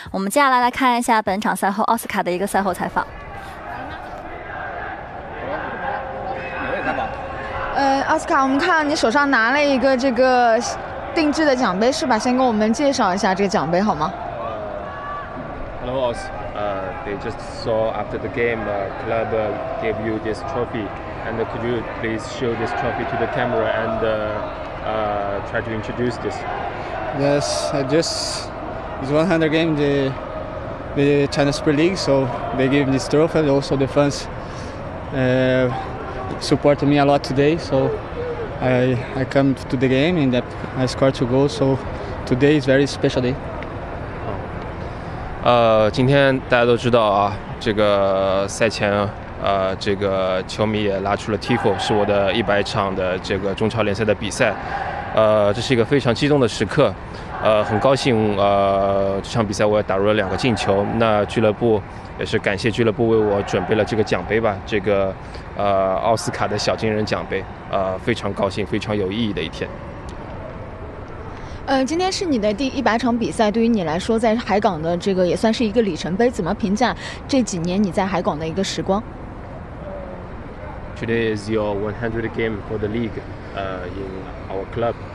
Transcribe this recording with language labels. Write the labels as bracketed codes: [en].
[zh] 我们接下来来看一下本场赛后奥斯卡的一个赛后采访。奥斯卡，我们看到你手上拿了一个这个定制的奖杯，是吧？先给我们介绍一下这个奖杯好吗？ [en] Hello, Os. They just saw after the game, club gave you this trophy, and could you please show this trophy to the camera and try to introduce this? Yes, it's 100 game the China Super League, so they gave this trophy, and also the fans. Support me a lot today, so I come to the game and I scored two goals. So today is very special day. [zh] 今天大家都知道啊，这个赛前这个球迷也拉出了 TIFO， 是我的100场的这个中超联赛的比赛。这是一个非常激动的时刻。很高兴这场比赛我也打入了两个进球。那俱乐部也是感谢俱乐部为我准备了这个奖杯吧，这个奥斯卡的小金人奖杯，非常高兴，非常有意义的一天。今天是你的第100场比赛，对于你来说，在海港的这个也算是一个里程碑，怎么评价这几年你在海港的一个时光 [en] ？Today is your 100th game for the league, in our club.